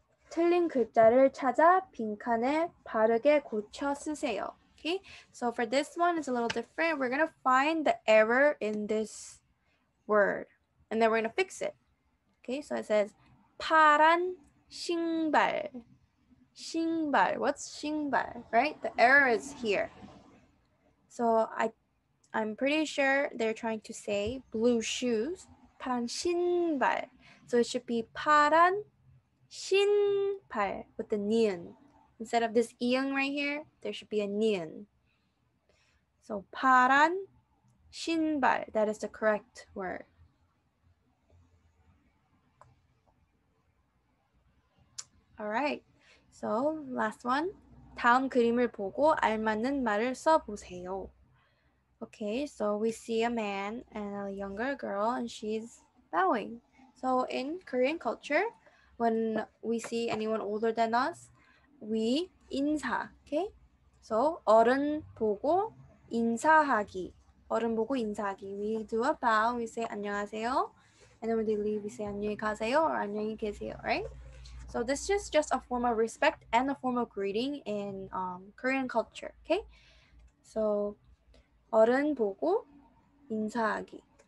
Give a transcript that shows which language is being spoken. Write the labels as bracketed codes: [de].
[ko] 틀린 글자를 찾아 빈칸에 바르게 고쳐 쓰세요. [en] Okay, so for this one, it's a little different. We're gonna find the error in this word, and then we're gonna fix it. Okay, so it says [ko] 파란 신발. [en] 신발. What's 신발? Right? The error is here. So I'm pretty sure they're trying to say blue shoes. [ko] 파란 신발. [en] So it should be 파란 신발 with the 니은. Instead of this 이응 right here, there should be a 니은. So [ko] 파란 신발. [en] That is the correct word. All right. So last one. [ko] 다음 그림을 보고 알맞는 말을 써보세요. [en] Okay, so we see a man and a younger girl, and she's bowing. So in Korean culture, when we see anyone older than us, we 인사, okay? [ko] So 어른 보고 인사하기. 어른 보고 인사하기. [en] We do a bow, we say 안녕하세요. And then when they leave, we say [ko] 안녕히 가세요 [en] or [ko] 안녕히 계세요, [en] right? So this is just a form of respect and a form of greeting in Korean culture, okay? [ko] So 어른 보고 인사하기.